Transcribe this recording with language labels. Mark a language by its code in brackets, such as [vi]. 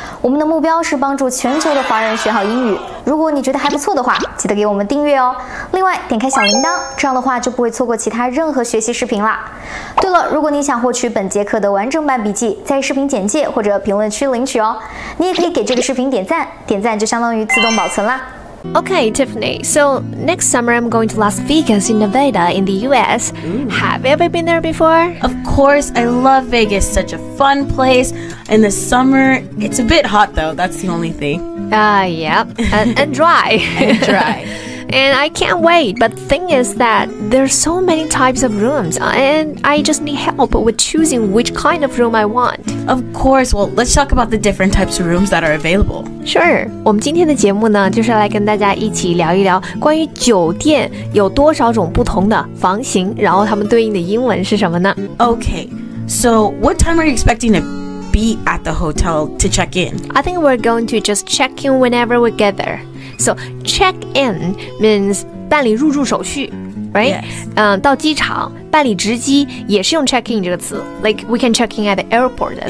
[zh] 我们的目标是帮助全球的华人学好英语。如果你觉得还不错的话，记得给我们订阅哦。另外，点开小铃铛，这样的话就不会错过其他任何学习视频啦。对了，如果你想获取本节课的完整版笔记，在视频简介或者评论区领取哦。你也可以给这个视频点赞，点赞就相当于自动保存啦。 [en] Okay, Tiffany, so next summer I'm going to Las Vegas in Nevada in the US. Ooh. Have you ever been there before? Of course, I love Vegas, such a fun place. In the summer, it's a bit hot though, that's the only thing. Yep, and dry. and dry. and I can't wait, but the thing is that there's so many types of rooms, and I just need help with choosing which kind of room I want. Of course, well, let's talk about the different types of rooms that are available. [zh] Sure, 我们今天的节目呢就是来跟大家一起聊一聊关于酒店有多少种不同的房型，然后它们对应的英文是什么呢？ [en] Okay, so what time are you expecting to be at the hotel to check in? I think we're going to just check in whenever we get there. So check in means [zh] 办理入住手续。 [en] Right? Yes. [zh] 到机场办理直机也是用 check in 这个词 [en] Like we can check in at the airport as